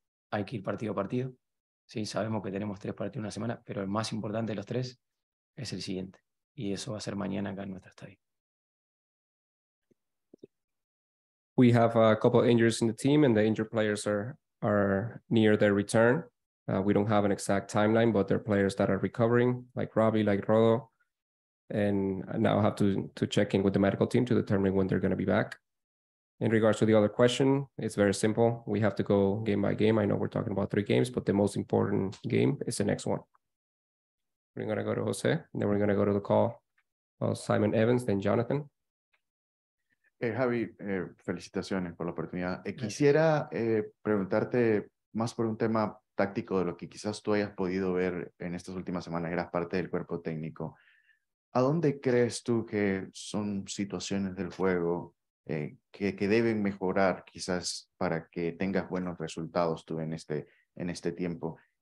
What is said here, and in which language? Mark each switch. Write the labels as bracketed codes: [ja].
[es] Hay que ir partido a partido. Sí, sabemos que tenemos tres partidos en una semana, pero el más importante de los tres es el siguiente. Y eso va a ser mañana acá en nuestro estadio. [en] We have a couple of injuries in the team, and the injured players are near their return. We don't have an exact timeline, but there are players that are recovering, like Robbie, like Rodo, and now have to check in with the medical team to determine when they're going to be back. In regards to the other question, it's very simple. We have to go game by game. I know we're talking about three games, but the most important game is the next one. We're going to go to Jose, and then we're going to go to the call of Simon Evans, then Jonathan. [es] Javi, felicitaciones por la oportunidad. Quisiera preguntarte más por un tema táctico de lo que quizás tú hayas podido ver en estas últimas semanas. Eras parte del cuerpo técnico. ¿A dónde crees tú que son situaciones del juego que deben mejorar quizás para que tengas buenos resultados tú en este tiempo?